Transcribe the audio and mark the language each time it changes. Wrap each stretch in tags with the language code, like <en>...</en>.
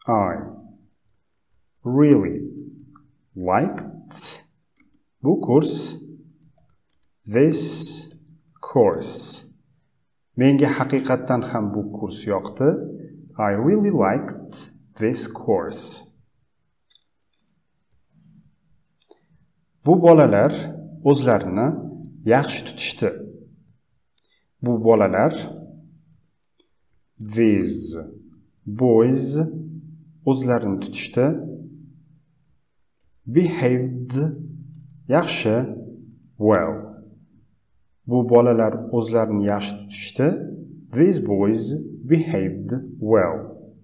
<en>I really liked</en> <uz>bu kurs.</uz> <en>This course.</en> <uz>Menga haqiqatan ham bu kurs yoqdi.</uz> <en>I really liked this course.</en> <uz>Bu bolalar o'zlarini yaxshi tutishdi. Bu bolalar</uz> <en>these boys</en> <uz>o'zlarini tutishdi.</uz> <en>Behaved</en> <uz>yaxshi</uz> <en>well.</en> <uz>Bu bolalar o'zlarini yaxshi tutishdi.</uz> <en>These boys behaved well.</en>